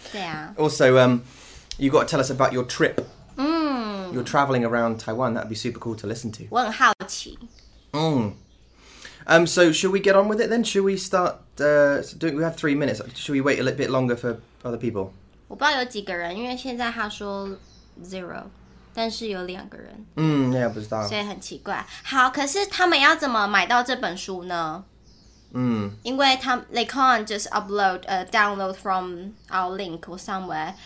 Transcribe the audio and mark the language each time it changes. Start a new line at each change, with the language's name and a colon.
Chinese: 对啊。
English: Also, you got to tell us about your trip. You're traveling around Taiwan, that'd be super cool to listen to.
Chinese: 我很好奇。
English: So should we get on with it then? Should we start, we have 3 minutes, should we wait a little bit longer for other people?
Chinese: 我不知道有几个人，因为现在他说 zero, 但是有两个人。 Yeah, 不知道。所以很奇怪。好，可是他们要怎么买到这本书呢？因为他们
English: they can't just upload a download from our link or somewhere.